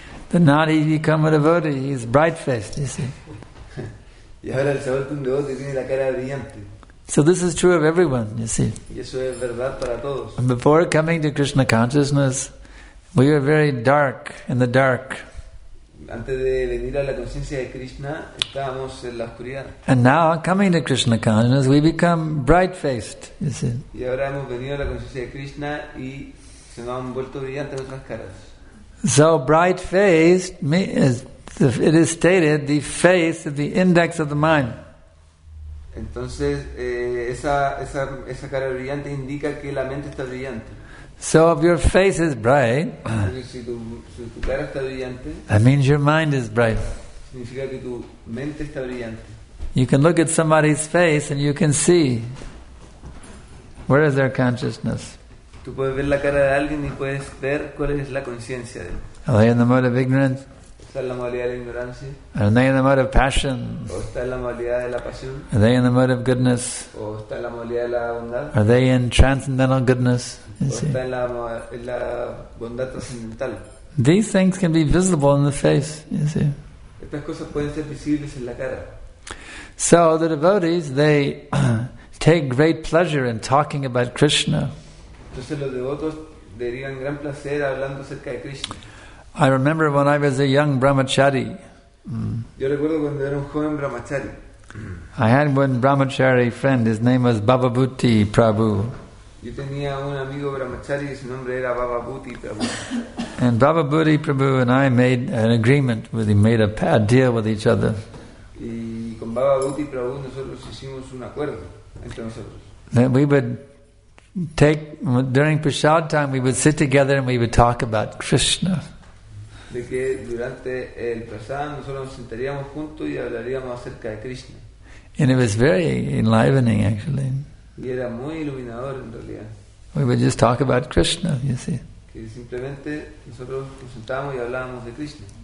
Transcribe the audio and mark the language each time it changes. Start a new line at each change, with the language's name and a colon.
English: But now he's become a devotee, he's bright-faced, you see.
Spanish: Y ahora él se ha vuelto un devoto y tiene la cara brillante.
English: So this is true of everyone, you see.
Spanish: Y eso es verdad para todos.
English: Before coming to Krishna consciousness, we were very dark, in the dark.
Spanish: Antes de venir a la conciencia de Krishna, estábamos en la oscuridad.
English: And now, coming to Krishna consciousness, we become bright-faced, you see.
Spanish: Y ahora hemos venido a la conciencia de Krishna y se nos han vuelto brillantes nuestras caras.
English: So bright-faced, it is stated, the face of the index of the mind.
Spanish: Entonces, esa cara brillante indica que la mente está brillante.
English: So if your face is bright,
Spanish: si tu cara está brillante,
English: that means your mind is bright.
Spanish: Significa que tu mente está brillante.
English: You can look at somebody's face and you can see where is their consciousness.
Spanish: Tú puedes ver la cara de alguien y puedes ver cuál es la conciencia de él.
English: Are they in the mode of ignorance?
Spanish: ¿Está en la modalidad de ignorancia?
English: Are they in the mode of passion?
Spanish: ¿O está en la modalidad de la pasión?
English: Are they in the mode of goodness?
Spanish: ¿O está en la modalidad de la bondad?
English: Are they in transcendental goodness?
Spanish: ¿O está en la bondad transcendental?
English: These things can be visible in the face, you see.
Spanish: Estas cosas pueden ser visibles en la cara.
English: So the devotees, they take great pleasure in talking about Krishna.
Spanish: Entonces los devotos derivan gran placer hablando acerca de Krishna.
English: I remember when I was a young brahmachari.
Spanish: Yo recuerdo cuando era un joven brahmachari.
English: I had one brahmachari friend, his name was Bhavabhuti Prabhu.
Spanish: Yo tenía un amigo brahmachari y su nombre era Bhavabhuti Prabhu.
English: And Bhavabhuti Prabhu and I made an agreement with him, made a deal with each other.
Spanish: Y con Bhavabhuti Prabhu nosotros hicimos un acuerdo entre nosotros.
English: That we would take during prasad time, we would sit together and we would talk about Krishna.
Spanish: De que durante el prasad nosotros nos sentaríamos juntos y hablaríamos acerca de Krishna.
English: And it was very enlivening, actually.
Spanish: Y era muy iluminador en realidad.
English: We would just talk about Krishna, you see.
Spanish: Que simplemente nosotros nos sentábamos y hablábamos de Krishna.